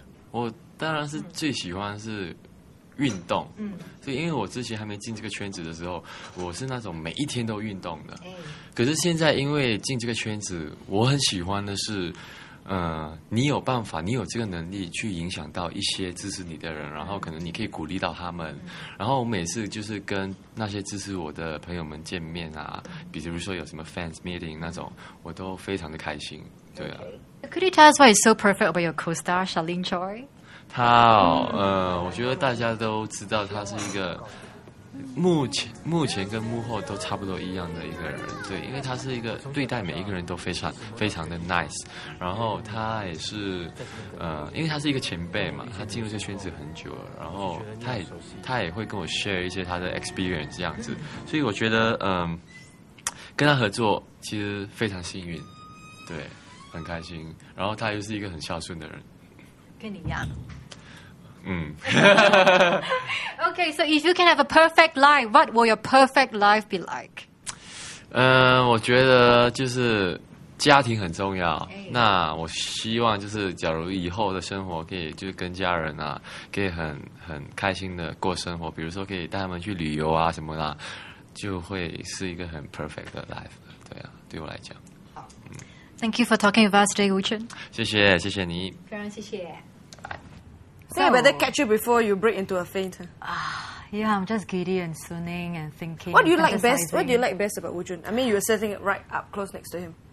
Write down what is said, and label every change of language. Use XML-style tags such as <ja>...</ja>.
<zh>我当然是最喜欢是运动，所以因为我之前还没进这个圈子的时候我是那种每一天都运动的，可是现在因为进这个圈子我很喜欢的是你有办法你有这个能力去影响到一些支持你的人，然后可能你可以鼓励到他们，然后我每次就是跟那些支持我的朋友们见面啊，比如说有什么 fans meeting 那种我都非常的开心，对啊。</zh> <en>Okay. Could you tell us why it's so perfect about your co-star Charlene Choi?</en> <zh>他我觉得大家都知道他是一个目前跟幕后都差不多一样的一个人，对，因为他是一个对待每一个人都非常非常的 nice， 然后他也是因为他是一个前辈嘛，他进入这个圈子很久了，然后他也会跟我 share 一些他的 experience 这样子，所以我觉得跟他合作其实非常幸运，对，很开心，然后他又是一个很孝顺的人，跟你一样。</zh> <en>Okay, so if you can have a perfect life, what will your perfect life be like?</en> <zh>我觉得就是家庭很重要。那我希望就是，假如以后的生活可以就跟家人啊，可以很开心的过生活，比如说可以带他们去旅游啊什么的，就会是一个很 perfect 的 life。对啊，对我来讲。好。</zh> <en>Thank you for talking with us today, Wu Chun.</en> <zh>谢谢，谢谢你。非常谢谢。</zh> <en>So, I better catch you before you break into a faint. Yeah, I'm just giddy and swooning and thinking. What do you like best? What do you like best about Wu Chun? I mean, you were sitting right up close next to him.</en>